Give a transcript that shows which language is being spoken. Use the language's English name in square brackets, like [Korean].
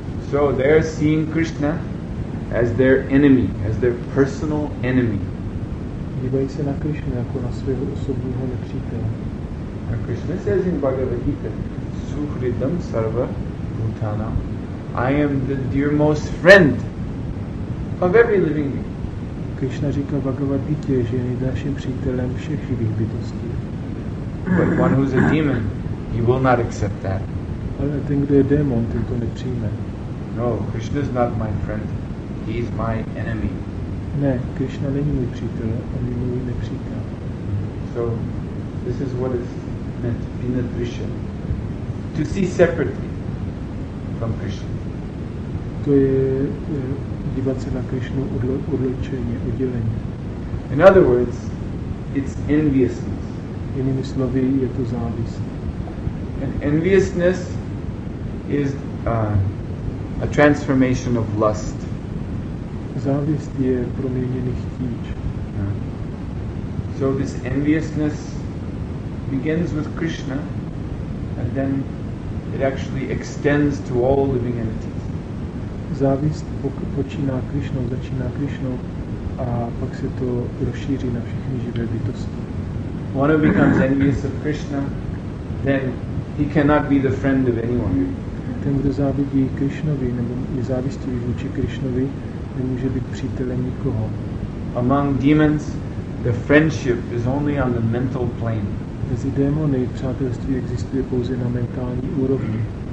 [English] So they are seeing Krishna as their enemy, as their personal enemy. [Czech] Dívají se na Krishna jako na svého osobního nepřítele. [English] And Krishna says in Bhagavad Gita, [Sanskrit] Suhridam sarva bhutana, [English] I am the dearmost friend of every living being. [Czech] Krishna říká Bhagavad Gita, že je nejdražším přítelem všech živých bytostí. [English] But one who is a demon, he will not accept that. [Czech] Ale ten, kdo je démon, ten to nepřijme. [English] No, Krishna is not my friend. He is my enemy. [Czech] Ne, Krishna není můj přítel, on je můj nepřítel. [English] So, this is what is meant, Binadrisha. To see separately from Krishna. [Czech] To je dívat se na Krishnu odlučeně, odděleně. [English] In other words, it's enviousness. [Czech] Jinými slovy, je to závist. [English] And enviousness is a transformation of lust. [Czech] Závist je proměněný chtíč. [English] So this enviousness begins with Krishna and then It actually extends to all living entities. [Czech] Závist počíná Krišnou, začíná Krišnou a pak se to rozšíří na všechny živé bytosti. [English] One becomes envious of Krishna, then he cannot be the friend of anyone. [Czech] Ten, kdo závidí Krišnovi, nebo je závistivý vůči Krišnovi, nemůže být přítelem nikoho. [English] Among demons, the friendship is only on the mental plane. [Czech] Mezi démony přátelství existuje pouze na mentální úrovni.